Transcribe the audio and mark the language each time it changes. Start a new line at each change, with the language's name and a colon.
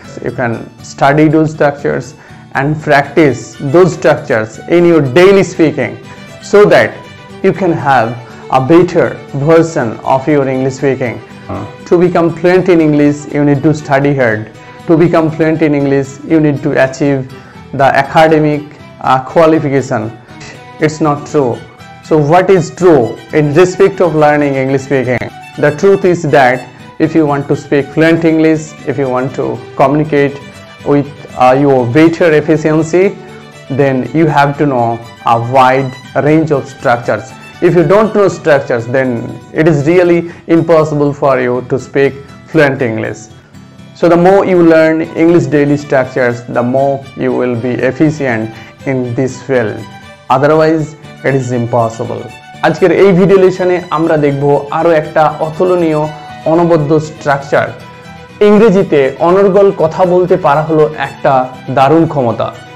English: You can study those structures and practice those structures in your daily speaking, so that you can have a better version of your English speaking. To become fluent in English you need to study hard, to become fluent in English you need to achieve the academic qualification. It's not true. So what is true in respect of learning English speaking? The truth is that if you want to speak fluent English, if you want to communicate with your better efficiency, then you have to know a wide range of structures. If you don't know structures, then it is really impossible for you to speak fluent English. So the more you learn English daily structures, the more you will be efficient in this field. Otherwise, it is impossible.
Bangla: আজকের এই video লেসনে আমরা দেখব আরও একটা অতুলনীয় অনবদ্য structure. ইংরেজিতে অনর্গল কথা বলতে পারা হলো একটা দারুণ ক্ষমতা।